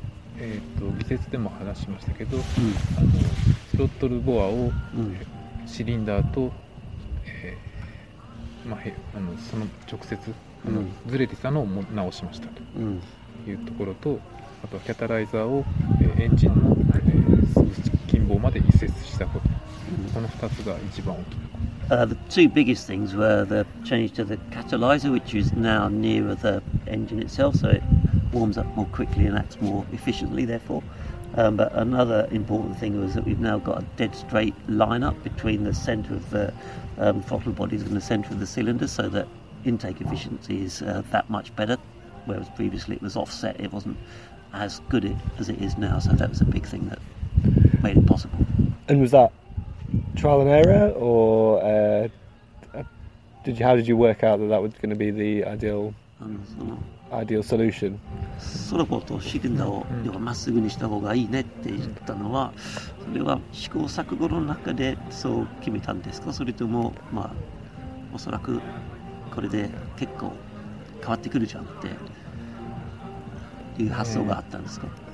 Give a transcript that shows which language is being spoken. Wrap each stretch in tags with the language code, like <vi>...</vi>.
<ja>技術でも話しましたけど、スロットルボアを、シリンダーと、まあ、あのその直接あの、うん、ずれてたのを直しましたというところと、あとはキャタライザーを、エンジンの、近傍まで移設したこと、この2つが一番大きな。</ja> <en>The two biggest things were the change to the catalyzer, which is now nearer the engine itself, so it warms up more quickly and acts more efficiently, therefore. But another important thing was that we've now got a dead straight line up between the center of the throttle bodies and the center of the cylinder, so that intake efficiency is that much better, whereas previously it was offset, it wasn't as good as it is now, so that was a big thing that made it possible. And was that trial and error, or how did you work out that that was going to be the ideal solution?</en> <ja>それこそ試験だを、要はまっすぐにした方がいいねって言ったのは、それは試行錯誤の中でそう決めたんですか、それとも、まあ、おそらくこれで結構変わってくるじゃんっていう発想があったんですか。</ja>